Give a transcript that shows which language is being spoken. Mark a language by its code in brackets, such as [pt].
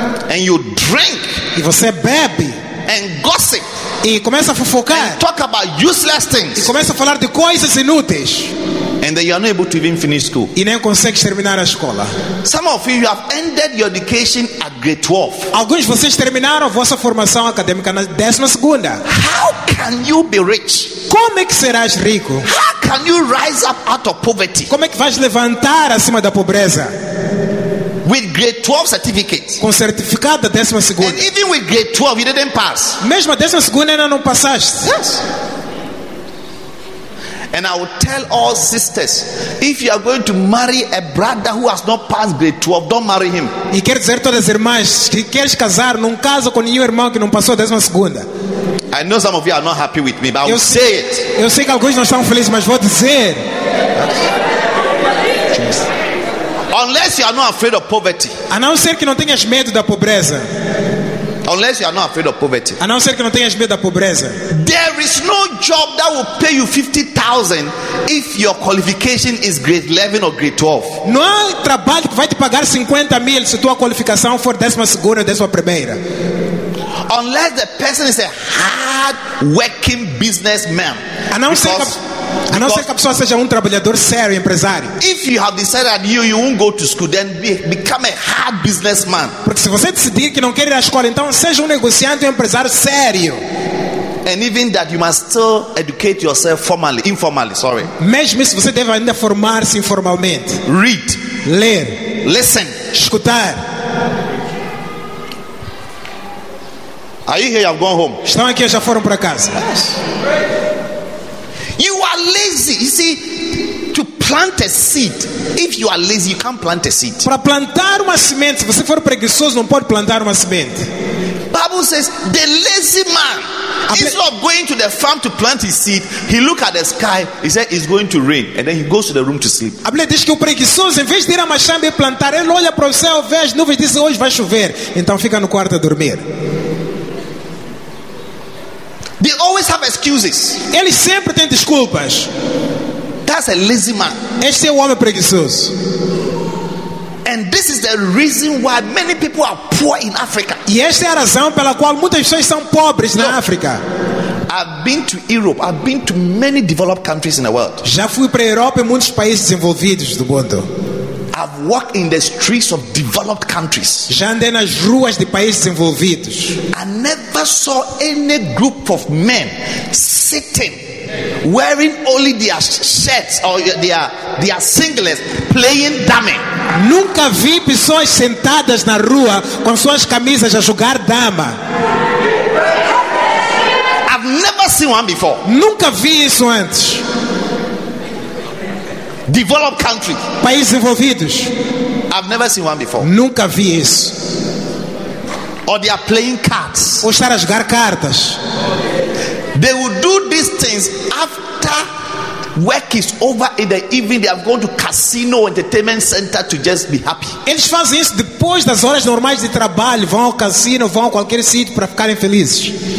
[en] And you drink. [pt] E você bebe. [en] And gossip. [pt] E começa a fofocar. [en] And talk about useless things. [pt] E começa a falar de coisas inúteis. [en] And then you are not able to even finish school. [pt] E nem consegues terminar a escola. [en] Some of you have ended your education at grade 12. [pt] Alguns de vocês terminaram a vossa formação acadêmica na 12ª. [en] How can you be rich? [pt] Como é que serás rico? [en] How can you rise up out of poverty? [pt] Como é que vais levantar acima da pobreza? [en] With grade 12 certificate. [pt] Com certificado da 12ª. [en] And even with grade 12 you didn't pass. [pt] Mesmo a 12ª ainda não passaste. [en] Yes. And I will tell all sisters, if you are going to marry a brother who has not passed grade 12, don't marry him. [pt] E quero dizer a todas as irmãs, se queres casar, não casa com nenhum irmão que não passou a 12ª. [en] I know some of you are not happy with me, but I will say it. [pt] Eu sei que alguns não estão felizes, mas vou dizer. [en] Unless you are not afraid of poverty. [pt] A não ser que não tenhas medo da pobreza. [en] Unless you are not afraid of poverty. [pt] A não ser que não tenhas medo da pobreza. [en] There is no job that will pay you 50,000 if your qualification is grade 11 or grade 12. [pt] Não há trabalho que vai te pagar 50 mil se tua qualificação for 12ª ou 11ª. [en] Unless the person is a hard-working businessman. [pt] A não ser que a pessoa seja trabalhador sério, empresário. [en] If you have decided that you won't go to school, then become a hard businessman. [pt] Porque se você decidir que não quer ir à escola, então seja negociante, empresário sério. [en] And even that you must still educate yourself formally, informally, sorry. [pt] Mesmo se você deve ainda formar-se informalmente. [en] Read. [pt] Ler. [en] Listen. [pt] Escutar. [en] Are you here? I've gone home. [pt] Estão aqui ou já foram para casa? [en] Yes. You are lazy. You see, to plant a seed, if you are lazy, you can't plant a seed. [pt] Para plantar uma semente, se você for preguiçoso, não pode plantar uma semente. [en] Bible says, the lazy man, instead of going to the farm to plant his seed, he look at the sky, he said it's going to rain, and then he goes to the room to sleep. [pt] A Bíblia diz que o preguiçoso, em vez de ir a uma chamba e plantar, ele olha para o céu, vê as nuvens e diz, hoje vai chover, então fica no quarto a dormir. [en] They always have excuses. [pt] Eles sempre têm desculpas. [en] That's a lazy man. [pt] Este é o homem preguiçoso. [en] And this is the reason why many people are poor in Africa. [pt] E esta é a razão pela qual muitas pessoas são pobres na África. [en] I've been to Europe. I've been to many developed countries in the world. [pt] Já fui para a Europa e muitos países desenvolvidos do mundo. [en] I've walked in the streets of developed countries. [pt] Já andei nas ruas de países desenvolvidos. [en] I never saw any group of men sitting wearing only their shirts or their singlets playing dama. [pt] Nunca vi pessoas sentadas na rua com suas camisas a jogar dama. [en] I've never seen one before. [pt] Nunca vi isso antes. [en] Developed country. [pt] Países desenvolvidos. [en] I've never seen one before. [pt] Nunca vi isso. [en] Or they are playing cards. [pt] Ou estar a jogar cartas. [en] They will do these things after work is over in the evening. They are going to casino entertainment center to just be happy. [pt] Eles fazem isso depois das horas normais de trabalho. Vão ao casino, vão a qualquer sítio para ficarem felizes.